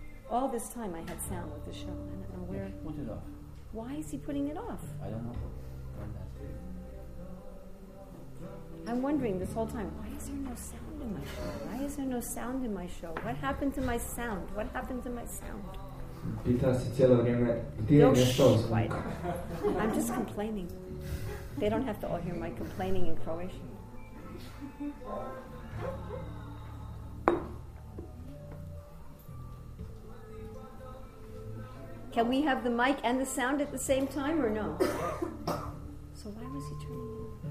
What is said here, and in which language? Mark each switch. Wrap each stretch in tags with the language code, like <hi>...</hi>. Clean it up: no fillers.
<en>All this time I had sound with the show. I don't know where. Yeah, put it off. Why is he putting it off? I don't know. I'm wondering this whole time, why is there no sound in my show? Why is there no sound in my show? What happened to my sound? What happened to my sound?</en> <hr>Pita se cijelo vrijeme, gdje je nestao zvuk?</hr> <en>I'm just complaining. They don't have to all hear my complaining in Croatian. Can we have the mic and the sound at the same time or no? So why was he turning it?</en>